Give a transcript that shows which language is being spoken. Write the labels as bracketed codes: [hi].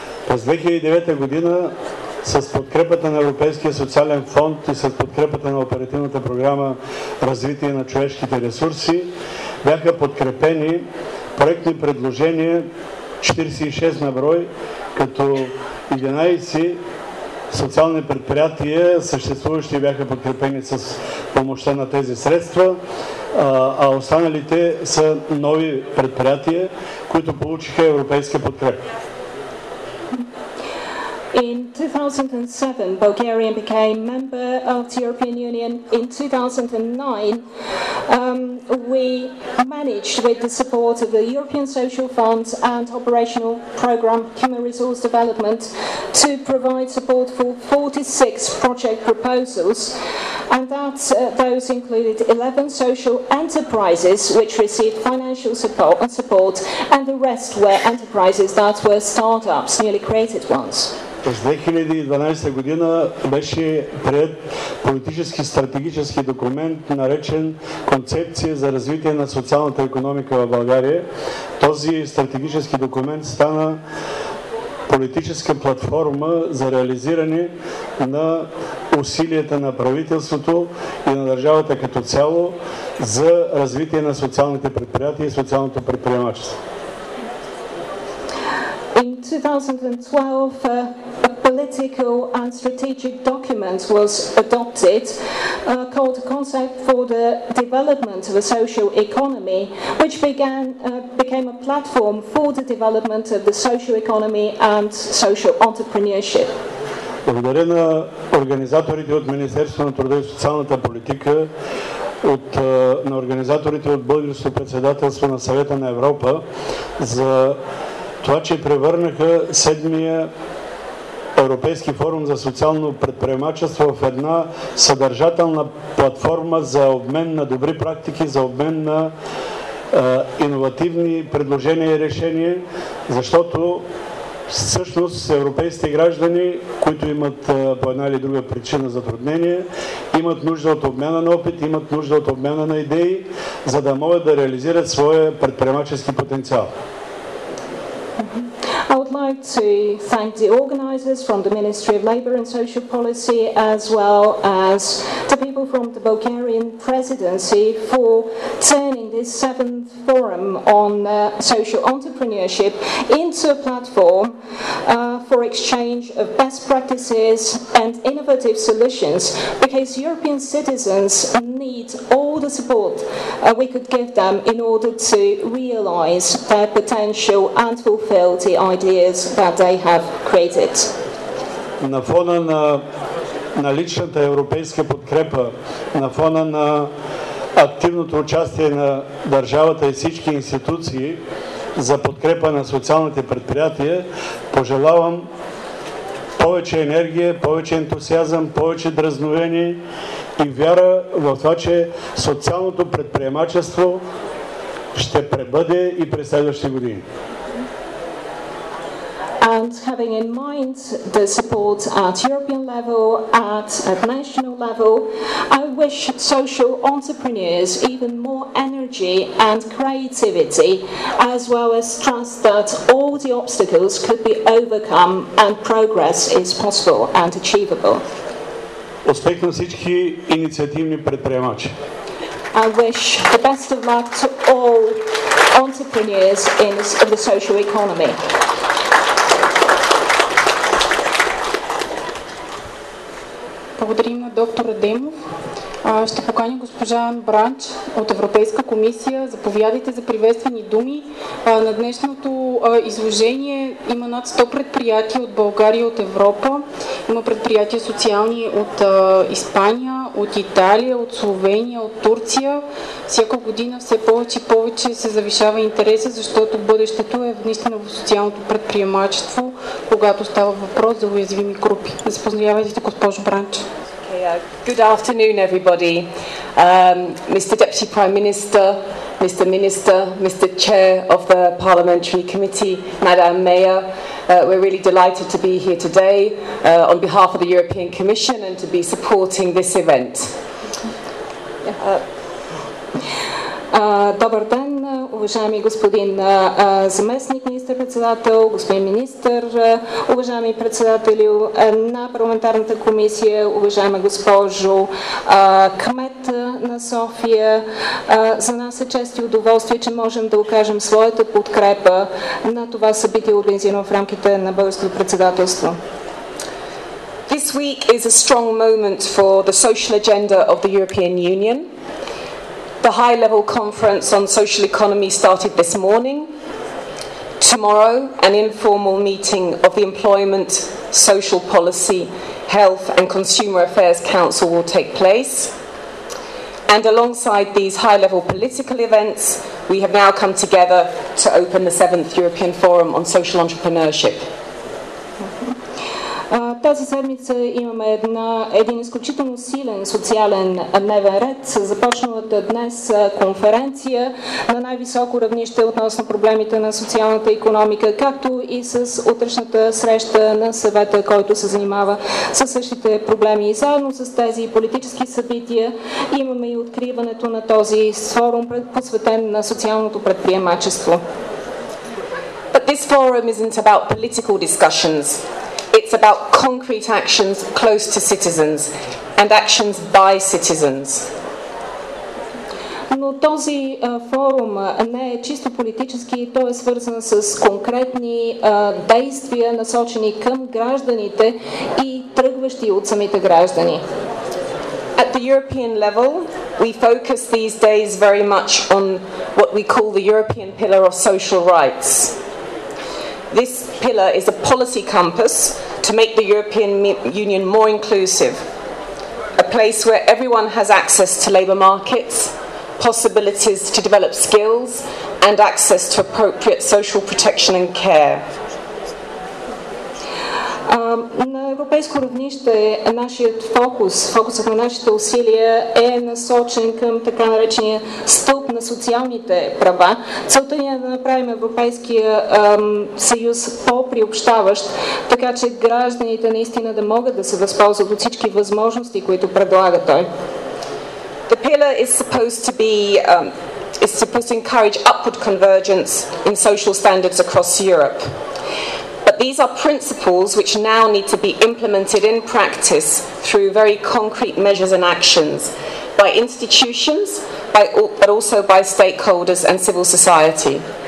[bg] През 2009 година с подкрепата на Европейския социален фонд и с подкрепата на оперативната програма Развитие на човешките ресурси бяха подкрепени проектни предложения 46 на брой, като 11 социални предприятия съществуващи бяха подкрепени с помощта на тези средства, а останалите са нови предприятия, които получиха европейска подкрепа. [en] In 2007, Bulgaria became member of the European Union. In 2009, we managed, with the support of the European Social Fund and Operational Programme Human Resource Development, to provide support for 46 project proposals, and that those included 11 social enterprises which received financial support, and the rest were enterprises that were startups, newly created ones. [bg] През 2012 година беше приет политически стратегически документ, наречен Концепция за развитие на социалната икономика в България. Този стратегически документ стана политическа платформа за реализиране на усилията на правителството и на държавата като цяло за развитие на социалните предприятия и социалното предприемачество. [en] In 2012, a political and strategic document was adopted called Concept for the Development of a Social Economy, which became a platform for the development of the social economy and social entrepreneurship. [bg] Благодаря на организаторите от Министерство на труда и социалната политика, на организаторите от Българското председателство на Съвета на Европа за това, че превърнаха седмия Европейски форум за социално предприемачество в една съдържателна платформа за обмен на добри практики, за обмен на иновативни предложения и решения, защото всъщност европейските граждани, които имат по една или друга причина затруднения, имат нужда от обмяна на опит, имат нужда от обмяна на идеи, за да могат да реализират своя предприемачески потенциал. [en] I'd like to thank the organizers from the Ministry of Labour and Social Policy, as well as the people from the Bulgarian Presidency, for turning this seventh forum on social entrepreneurship into a platform for exchange of best practices and innovative solutions, because European citizens need all the support we could give them in order to realize their potential and fulfill the ideas that they have created. [bg] На фона на наличната европейска подкрепа, на фона на активното участие на държавата и всички институции за подкрепа на социалните предприятия, пожелавам повече енергия, повече ентусиазъм, повече дръзновение и вяра в това, че социалното предприемачество ще пребъде и през следващите години. [en] And having in mind the support at European level, at national level, I wish social entrepreneurs even more energy and creativity, as well as trust that all the obstacles could be overcome and progress is possible and achievable. [bg] Успех на всички инициативни предприемачи. [en] I wish the best of luck to all entrepreneurs in the social economy. [bg] Благодарим на доктор Адемов. Ще поканя госпожа Ан Бранч от Европейска комисия. Заповядайте за приветствени думи. На днешното изложение има над 100 предприятия от България и от Европа. Има предприятия социални от Испания, от Италия, от Словения, от Турция. Всяка година все повече и повече се завишава интереса, защото бъдещето е наистина в социалното предприемачество, когато става въпрос за уязвими групи. Запознавайте, госпожо Бранч. [en] Good afternoon, everybody. Mr. Deputy Prime Minister, Mr. Minister, Mr. Chair of the Parliamentary Committee, Madam Mayor, we're really delighted to be here today on behalf of the European Commission and to be supporting this event. [bg] Добър ден, уважаеми господин заместник министър-председател, господин министър, уважаеми председатели на парламентарната комисия, уважаема госпожо кмет на София. За нас е чест и удоволствие, че можем да окажем своята подкрепа на това събитие, организирано в рамките на българското председателство. [en] This week is a strong moment for the social agenda of the European Union. The high-level conference on social economy started this morning. Tomorrow, an informal meeting of the Employment, Social Policy, Health and Consumer Affairs Council will take place. And alongside these high-level political events, we have now come together to open the 7th European Forum on Social Entrepreneurship. [bg] Тази седмица имаме един изключително силен социален дневен ред. Започнат днес конференция на най-високо равнище относно проблемите на социалната икономика, както и с утрешната среща на съвета, който се занимава със същите проблеми. И заедно с тези политически събития имаме и откриването на този форум, посветен на социалното предприемачество. [en] But this forum isn't about political discussions. It's about concrete actions close to citizens and actions by citizens. [bg] Но този форум не е чисто политически, той е свързан с конкретни действия, насочени към гражданите и тръгващи от самите граждани. [en] At the European level, we focus these days very much on what we call the European Pillar of Social Rights. This pillar is a policy compass to make the European Union more inclusive, a place where everyone has access to labour markets, possibilities to develop skills, and access to appropriate social protection and care. [bg] На европейско равнище нашият фокус, фокусът на нашите усилия е насочен към така наречения стълб на социалните права. Целта ни е да направим Европейския съюз по-приобщаващ, така че гражданите наистина да могат да се възползват от всички възможности, които предлага той. [en] The pillar is supposed to be, is supposed to encourage upward convergence in social standards across Europe. These are principles which now need to be implemented in practice through very concrete measures and actions by institutions, but also by stakeholders and civil society.